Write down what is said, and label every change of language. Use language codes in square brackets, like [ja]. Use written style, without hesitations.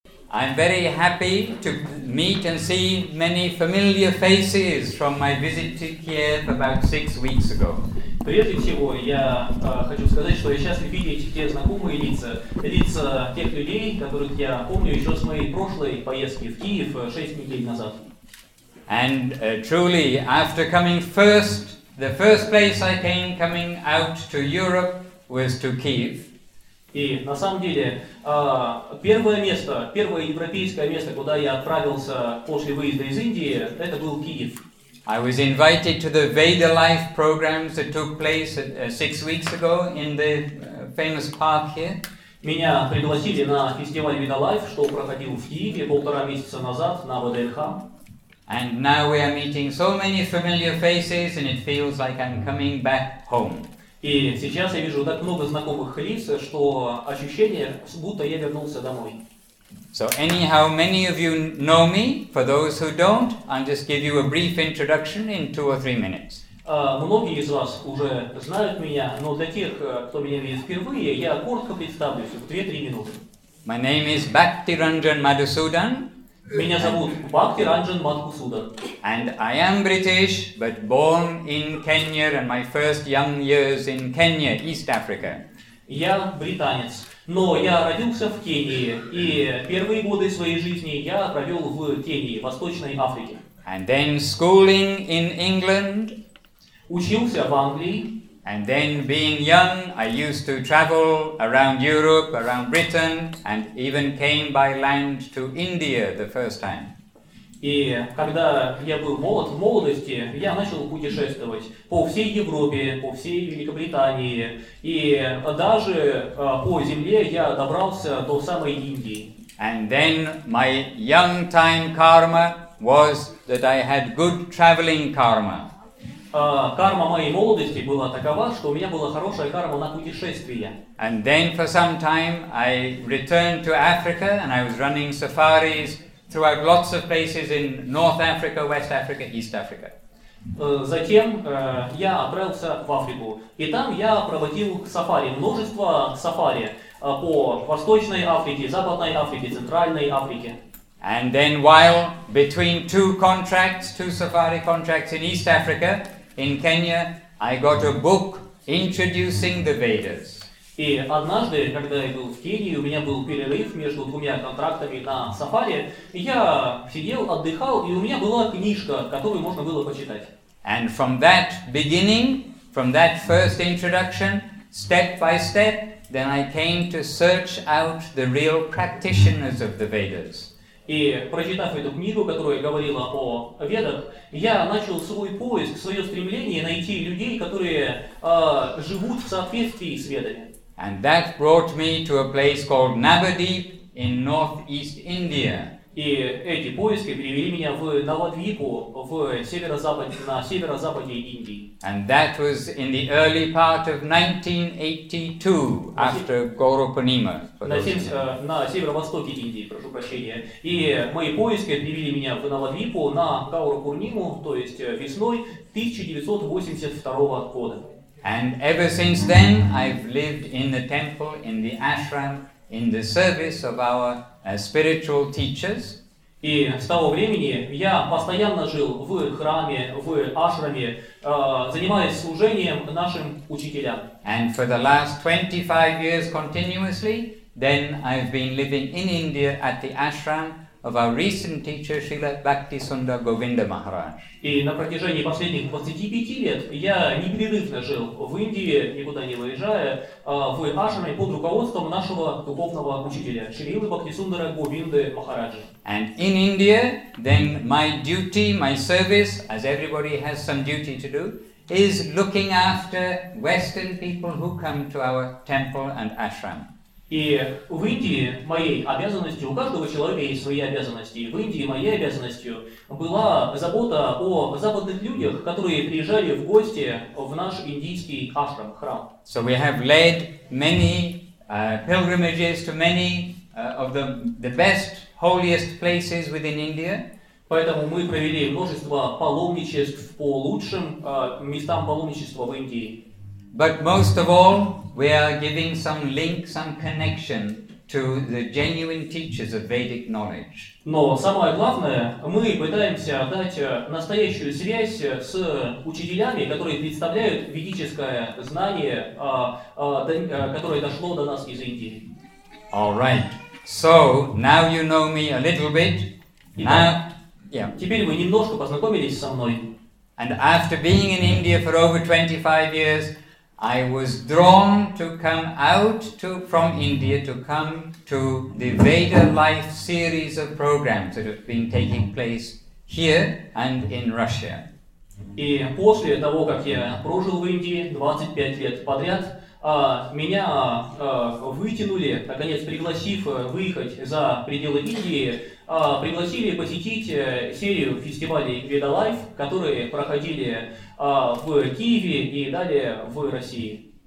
[en] I'm very happy to meet and see many familiar faces from my visit to Kiev about 6 weeks ago. [ru] Прежде всего, я хочу сказать, что я счастлив видеть те знакомые лица, лица тех людей, которых я помню еще с моей прошлой поездки в Киев 6 недель назад. [en] And truly, after coming first, the first place I came coming out to Europe was to Kiev. [ru] И на самом деле, первое место, первое европейское место, куда я отправился после выезда из Индии, это был Киев. [en] I was invited to the Veda Life programs that took place 6 weeks ago in the famous park here. [ru] Меня пригласили на фестиваль Veda Life, что проходил в Киеве полтора месяца назад на ВДНХ. [en] And now we are meeting so many familiar faces, and it feels like I'm coming back home. [ru] И сейчас я вижу так много знакомых лиц, что ощущение, будто я вернулся домой. [en] So anyhow, many of you know me. For those who don't, I'll just give you a brief introduction in 2 or 3 minutes. [ru] Многие из вас уже знают меня, но для тех, кто меня видит впервые, я коротко представлюсь в 2-3 минуты. [en] My name is Bhakti Ranjan Madhusudan. [ru] Меня зовут Бхакти Ранджан Мадхусудан. [en] And I am British, but born in Kenya and my first young years in Kenya, East Africa. [ru] Я британец, но я родился в Кении, и первые годы своей жизни я провел в Кении, Восточной Африке. [en] And then schooling in England. [ru] Учился в Англии. [en] And then being young, I used to travel around Europe, around Britain, and even came by land to India the first time. [ru] И когда я был молод, в молодости, я начал путешествовать по всей Европе, по всей Великобритании, и даже по земле я добрался до самой Индии. [en] And then my young time karma was that I had good traveling karma. [ru] Карма моей молодости была такова, что у меня была хорошая карма на путешествия. [en] And then for some time I returned to Africa and I was running safaris throughout lots of places in North Africa, West Africa, East Africa. [ru] Затем я отправился в Африку, и там я проводил сафари, множество сафари по Восточной Африке, Западной Африке, Центральной Африке. [en] And then while between two contracts, two safari contracts in East Africa, in Kenya, I got a book introducing the Vedas. [ru] И однажды, когда я был в Кении, у меня был перерыв между двумя контрактами на сафари, я сидел, отдыхал, и у меня была книжка, которую можно было почитать. [en] And from that beginning, from that first introduction, step by step, then I came to search out the real practitioners of the Vedas. [ru] И прочитав эту книгу, которая говорила о ведах, я начал свой поиск, свое стремление найти людей, которые живут в соответствии с ведами. [en] And that brought me to a place called Navadvip in northeast India. [ru] И эти поиски привели меня в Навадвипу, в северо-западе, на северо-западе Индии. [en] And that was in the early part of 1982, after Gaurapurnima. [ru] На северо-востоке Индии, прошу прощения. И мои поиски привели меня в Навадвипу на Гаурапурниму, то есть весной 1982 года. [en] And ever since then, I've lived in the temple, in the ashram, in the service of our spiritual teachers. [ru] И с того времени я постоянно жил в храме, в ашраме, занимаясь служением нашим учителям. [en] And for the last 25 years continuously, then I've been living in India at the ashram of our recent teacher Srila Bhakti Sundar Govinda Maharaj. [ru] И на протяжении последних 25 лет я непрерывно жил в Индии, никуда не выезжая, в ашраме под руководством нашего духовного учителя Шрилы Бхактисундара Говинды Махараджи. [en] And in India, then my duty, my service, as everybody has some duty to do, is looking after Western people who come to our temple and ashram. [ru] И в Индии моей обязанностью, у каждого человека есть свои обязанности, в Индии моей обязанностью была забота о западных людях, которые приезжали в гости в наш индийский ашрам, храм. [en] So we have led many pilgrimages to many of the best, holiest places within India. [ru] Поэтому мы провели множество паломничеств по лучшим местам паломничества в Индии. [en] But most of all, we are giving some link, some connection to the genuine teachers of Vedic knowledge. [ru] Но самое главное, мы пытаемся дать настоящую связь с учителями, которые представляют ведическое знание, которое дошло до нас из Индии. [en] All right. So now you know me a little bit. [ru] Now, теперь вы немножко познакомились со мной. [en] And after being in India for over 25 years, I was drawn to come out to from India to come to the Veda Life series of programs that have been taking place here and in Russia. [ru] И после того, как я прожил в Индии 25 лет подряд, меня вытянули, наконец пригласив выехать за пределы Индии, пригласили посетить серию фестивалей Veda Life, которые проходили в Киеве и далее в России.